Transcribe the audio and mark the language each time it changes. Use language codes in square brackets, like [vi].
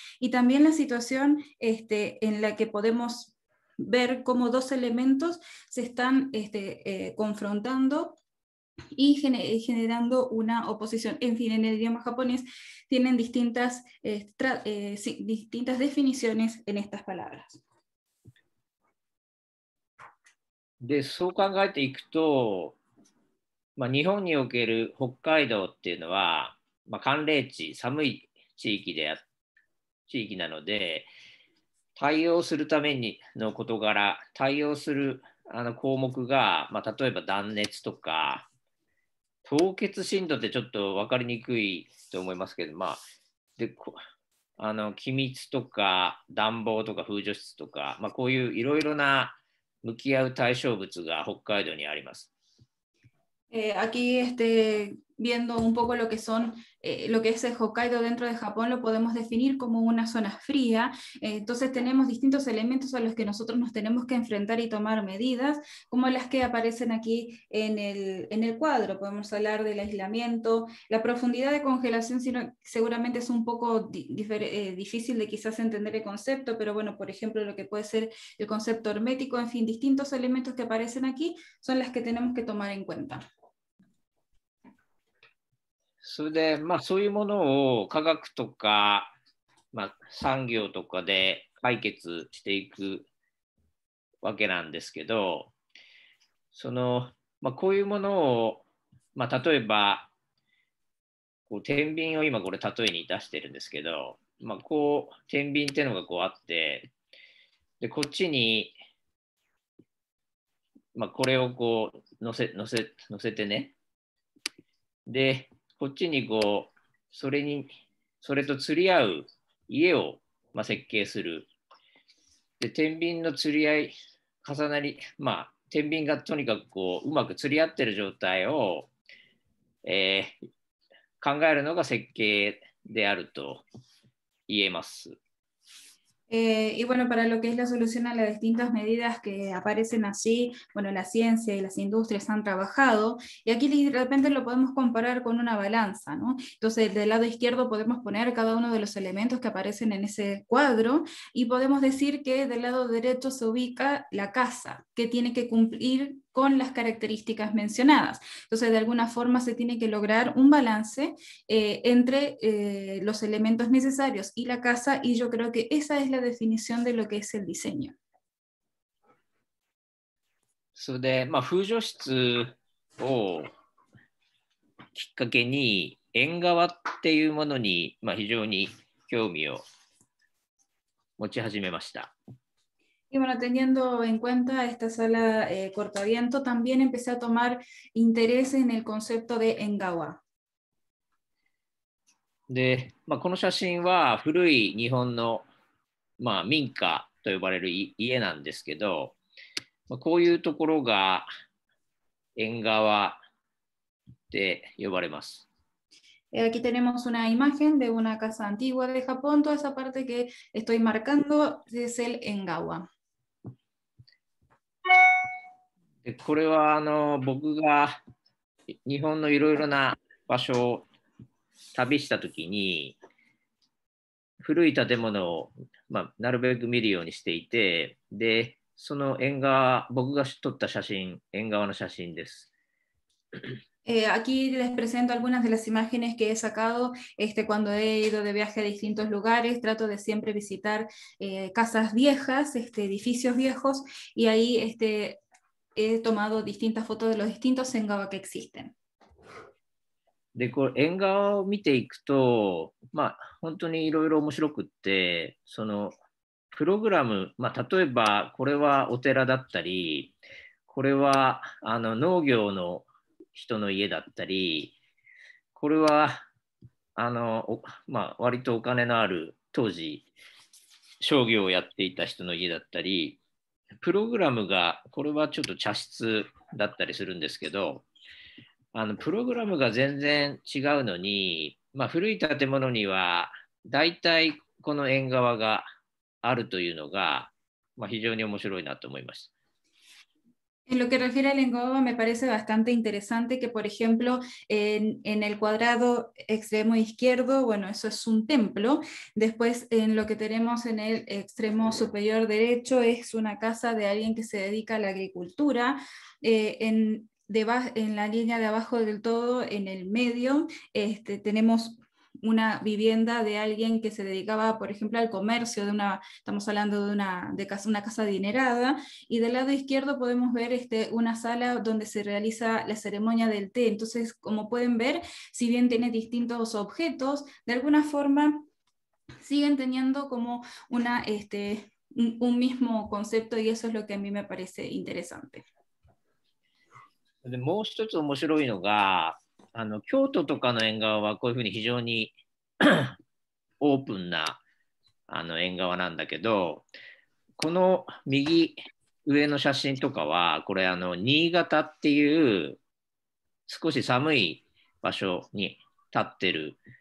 [es] Y también la situación en la que podemos ver cómo dos elementos se están confrontando y generando una oposición. En fin, en el idioma japonés tienen distintas, distintas definiciones en estas palabras. [ja] で、そう考えていくと、まあ、日本における北海道っていうのは、まあ、寒冷地、寒い地域で、地域なので、対応するためにの事柄、対応するあの項目が、まあ、例えば断熱とか、凍結震度ってちょっと分かりにくいと思いますけど、まあ、で、あの、気密とか暖房とか風除湿とか、まあ、こういういろいろな向き合う対象物が北海道にあります。 [es] aquí este, viendo un poco lo que son, lo que es el Hokkaido dentro de Japón, lo podemos definir como una zona fría. Entonces tenemos distintos elementos a los que nosotros nos tenemos que enfrentar y tomar medidas, como las que aparecen aquí en el cuadro. Podemos hablar del aislamiento, la profundidad de congelación, sino, seguramente es un poco difícil de quizás entender el concepto, pero bueno, por ejemplo, lo que puede ser el concepto hermético, en fin, distintos elementos que aparecen aquí son las que tenemos que tomar en cuenta. [ja] それで、まあ、そういうものを科学とか、まあ、産業とかで解決していくわけなんですけど、その、まあ、こういうものを、まあ、例えばこう天秤を今これ例えに出してるんですけど、まあ、こう天秤っていうのがこうあって、でこっちに、まあ、これをこう乗せてね、でこっちにこう、それと釣り合う家を、まあ、設計する。で、天秤の釣り合い、重なり、まあ、天秤がとにかくこう、うまく釣り合ってる状態を、考えるのが設計であると言えます。 [es] Y bueno, para lo que es la solución a las distintas medidas que aparecen así, bueno, la ciencia y las industrias han trabajado, y aquí de repente lo podemos comparar con una balanza, ¿no? Entonces, del lado izquierdo podemos poner cada uno de los elementos que aparecen en ese cuadro, y podemos decir que del lado derecho se ubica la casa, que tiene que cumplir con las características mencionadas. Entonces, de alguna forma se tiene que lograr un balance entre los elementos necesarios y la casa, y yo creo que esa es la definición de lo que es el diseño. [ja] So, de, まあ、風除室をきっかけに縁側っていうものに、まあ、非常に興味を持ち始めました。 [es] Y bueno, teniendo en cuenta esta sala cortaviento, también empecé a tomar interés en el concepto de engawa. [ja] De, まあ、この写真は古い日本の、まあ、民家と呼ばれる家なんですけど、まあ、こういうところが engawa で呼ばれます。 [es] Aquí tenemos una imagen de una casa antigua de Japón. Toda esa parte que estoy marcando es el engawa. [ja] でこれはあの僕が日本のいろいろな場所を旅したときに古い建物を、まあ、なるべく見るようにしていて、でその縁側、僕が撮った写真、縁側の写真です。 [es] Aquí les presento algunas de las imágenes que he sacado este, cuando he ido de viaje a distintos lugares. Trato de siempre visitar casas viejas, este, edificios viejos, y ahí este, he tomado distintas fotos de los distintos engawa que existen. [ja] De engawa を見ていくと、まあ、本当にいろいろ面白くって、そのプログラム、まあ、例えばこれはお寺だったり、これはあの農業の人の家だったり、これはあの、まあ、割とお金のある当時商業をやっていた人の家だったり、プログラムがこれはちょっと茶室だったりするんですけど、あのプログラムが全然違うのに、まあ、古い建物にはだいたいこの縁側があるというのが、まあ、非常に面白いなと思いました。 [es] En lo que refiere al engawa, me parece bastante interesante que, por ejemplo, en el cuadrado extremo izquierdo, bueno, eso es un templo. Después, en lo que tenemos en el extremo superior derecho, es una casa de alguien que se dedica a la agricultura. En en la línea de abajo del todo, en el medio, tenemos una vivienda de alguien que se dedicaba, por ejemplo, al comercio, estamos hablando de una casa adinerada, y del lado izquierdo podemos ver una sala donde se realiza la ceremonia del té. Entonces, como pueden ver, si bien tiene distintos objetos, de alguna forma siguen teniendo como un mismo concepto, y eso es lo que a mí me parece interesante. [ja] でもう一つ面白いのが、京都とかの縁側はこういうふうに非常にオープンな縁側なんだけど、この右上の写真とかは、これ新潟っていう少し寒い場所に立ってる